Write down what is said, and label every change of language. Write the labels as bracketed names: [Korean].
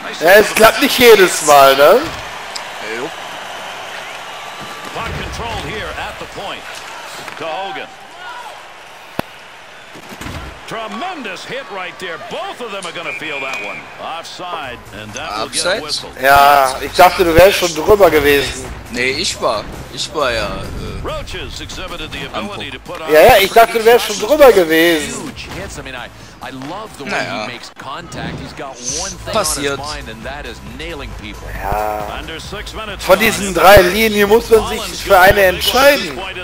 [German] Es klappt nicht jedes Mal, ne? [English] Puck control here at the point. To Hogan. Tremendous hit right there. Both of them are gonna feel that one. Offside, and that will get a whistle. [German] Ja, ich dachte, du wärst schon drüber gewesen. Nee, ich war ja. [English] Roaches exhibited the ability to put on. [German] Ja, ja, ich dachte, du wärst schon drüber gewesen. [English] Huge hits. I mean, I love the way he makes contact. He's got one thing on his mind, and that is nailing people. [German] Ja. Von diesen drei Linien muss man sich für eine entscheiden.